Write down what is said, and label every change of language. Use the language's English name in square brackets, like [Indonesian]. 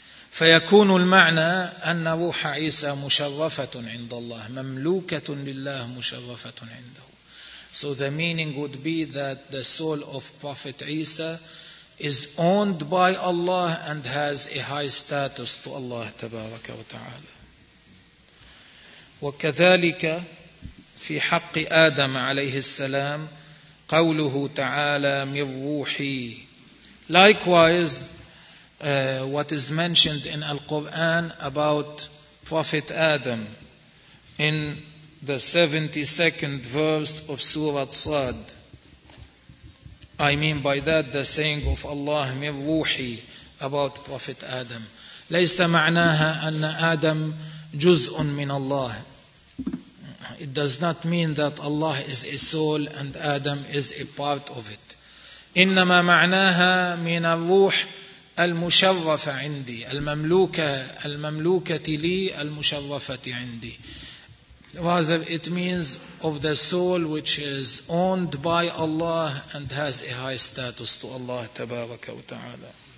[Arabic] فَيَكُونُ الْمَعْنَى أَنَّ رُوحَ عِيسَى مُشَرَّفَةٌ عِنْدَ اللَّهِ مَمْلُوكَةٌ لِلَّهِ مُشَرَّفَةٌ عِنْدَهُ. [English] So the meaning would be that the soul of Prophet Isa is owned by Allah and has a high status to Allah tabaraka wa ta'ala. [Arabic] وكذلك في حق آدم عليه السلام قوله تعالى من روحي. [English] Likewise, what is mentioned in Al-Quran about Prophet Adam in the 72nd verse of Surah Sad. I mean by that the saying of Allah [Arabic] من روحي [English] about Prophet Adam. [Arabic] ليس معناها أن آدم جزء من الله. [English] It does not mean that Allah is a soul and Adam is a part of it. [Arabic] إنما معناها من الروح المشرفة عندي المملوكة المملوكة لي المشرفة عندي. [English] Rather it means of the soul which is owned by Allah and has a high status to Allah [Arabic] تبارك وتعالى.